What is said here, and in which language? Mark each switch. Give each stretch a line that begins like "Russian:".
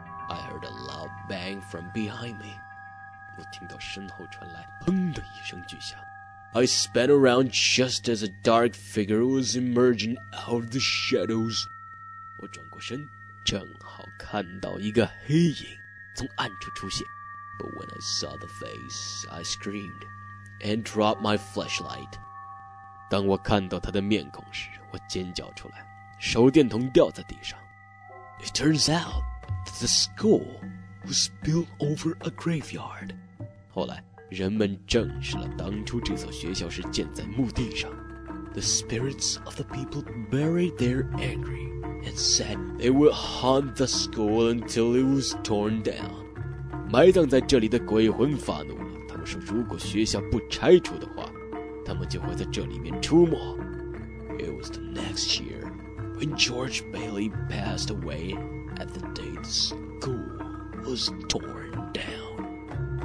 English: I heard a loud bang from behind me.
Chinese: 我听到身后传来砰的一声巨响。
English: I spun around just as a dark figure was emerging out of the shadows. 我转过身。
Chinese: 正好看到一个黑影从暗处出现。
English: But when I saw the face, I screamed and dropped my flashlight.
Chinese: 当我看到他的面孔时，我尖叫出来，手电筒掉在地上。
English: It turns out that the school was built over a graveyard.
Chinese: 后来人们证实了当初这所学校是建在墓地上。
English: The spirits of the people buried there angryAnd said they would haunt the school until it was torn down.
Chinese: 埋葬在这里的鬼魂发怒了，他们说如果学校不拆除的话，他们就会在这里面出没。
English: It was the next year when George Bailey passed away at the day the school was torn down.